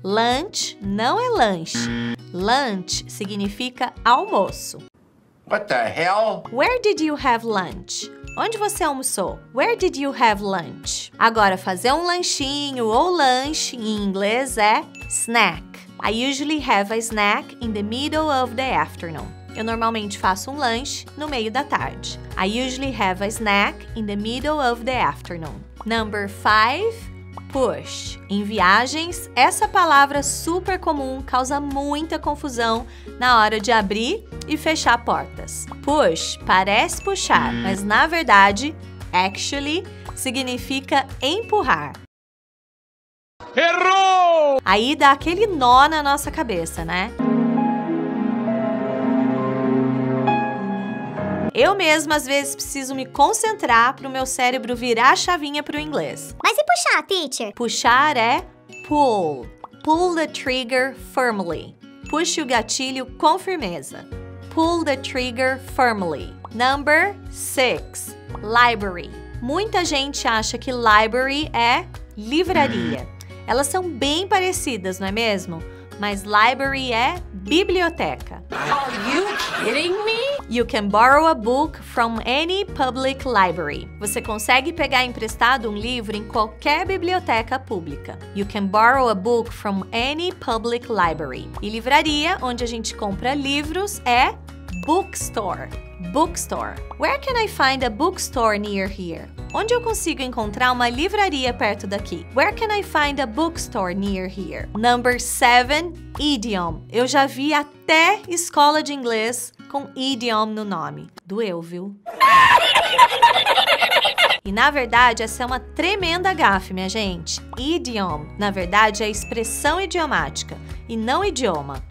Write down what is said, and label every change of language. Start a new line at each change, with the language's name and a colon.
Portuguese: Lunch não é lanche. Lunch significa almoço.
English: What the hell? Where did you have lunch?
Portuguese: Onde você almoçou?
English: Where did you have lunch?
Portuguese: Agora, fazer um lanchinho ou lanche em inglês é snack.
English: I usually have a snack in the middle of the afternoon.
Portuguese: Eu normalmente faço um lanche no meio da tarde.
English: I usually have a snack in the middle of the afternoon. Number 5. Push.
Portuguese: Em viagens, essa palavra super comum causa muita confusão na hora de abrir e fechar portas. Push parece puxar, mas na verdade, actually, significa empurrar. Errou! Aí dá aquele nó na nossa cabeça, né? Eu mesma, às vezes, preciso me concentrar para o meu cérebro virar a chavinha para o inglês. Mas e puxar, teacher? Puxar é pull.
English: Pull the trigger firmly.
Portuguese: Puxe o gatilho com firmeza.
English: Pull the trigger firmly. Number 6.
Portuguese: Library. Muita gente acha que library é livraria. Elas são bem parecidas, não é mesmo? Mas library é biblioteca.
English: Are you kidding me? You can borrow a book from any public library.
Portuguese: Você consegue pegar emprestado um livro em qualquer biblioteca pública.
English: You can borrow a book from any public library.
Portuguese: E livraria, onde a gente compra livros, é bookstore. Bookstore.
English: Where can I find a bookstore near here?
Portuguese: Onde eu consigo encontrar uma livraria perto daqui?
English: Where can I find a bookstore near here? Number 7, idiom.
Portuguese: Eu já vi até escola de inglês com idiom no nome. Doeu, viu? E na verdade, essa é uma tremenda gafe, minha gente. Idiom, na verdade, é expressão idiomática e não idioma.